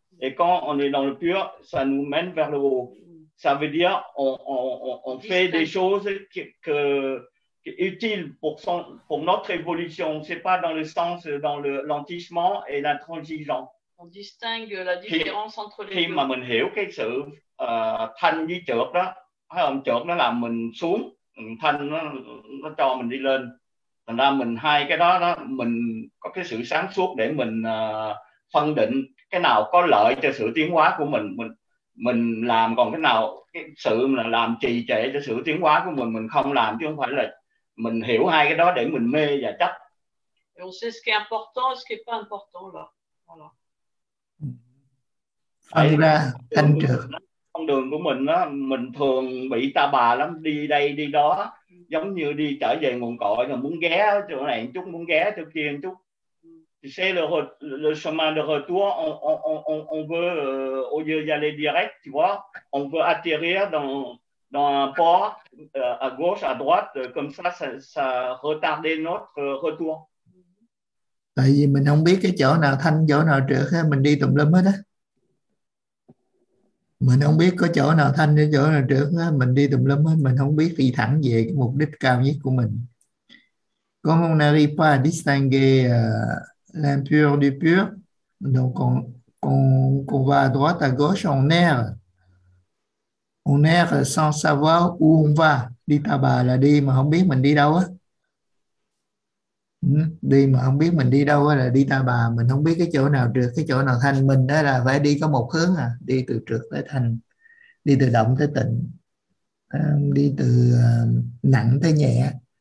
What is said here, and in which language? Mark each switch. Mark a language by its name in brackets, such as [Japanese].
[French] Et quand on est dans le pur, ça nous mène vers le haut. Ça veut dire on fait des choses qui utiles pour notre évolution. Ce n'est pas dans le sens, dans le lentissement et l'intransigeant. On distingue la différence entre les deux. [Vietnamese] Khi mà mình hiểu cái sự thanh với trượt đó, hay ông trượt nó làm mình xuống, thanh nó cho mình đi lên, thành ra mình hai cái đó mình có cái sự sáng suốt để mình phân định cái nào có lợi cho sự tiến hóa của mình làm, còn cái nào cái sự là làm trì trệ cho sự tiến hóa của mình không làm, chứ không phải là mình hiểu hai cái đó để mình mê và chấp. [French] Et on sait ce qui est important, ce qui est pas important là voilà. [Vietnamese] Phải ra thanh trượt. Con đường của mình á, mình thường bị ta bà lắm, đi đây đi đó, giống như đi trở về nguồn cội, là muốn ghé chỗ này chút, muốn ghé chỗ kia chút. [French] C'est le chemin de retour, on veut au lieu d'aller direct, tu vois, on veut atterrir dans un port à gauche, à droite, comme ça retarder notre retour. [Vietnamese] Tại vì mình không biết cái chỗ nào thanh, chỗ nào trượt, mình đi tùm lum hết á. Mình không biết có chỗ nào thanh hay chỗ nào trượt, mình đi tùm lum hết, mình không biết đi thẳng về cái mục đích cao nhất của mình. [French] Comme on n'arrive pas à distinguer l'impur du pur, donc on va à droite, à gauche, on erre sans savoir où on va. [Vietnamese] Đi ta bà là đi mà không biết mình đi đâu á. Đi mà không biết mình đi đâu là đi ta bà, mình không biết cái chỗ nào trượt, cái chỗ nào thanh. Mình đó là phải đi có một hướng à, đi từ trượt tới thanh, đi từ động tới tịnh, đi từ nặng tới nhẹ.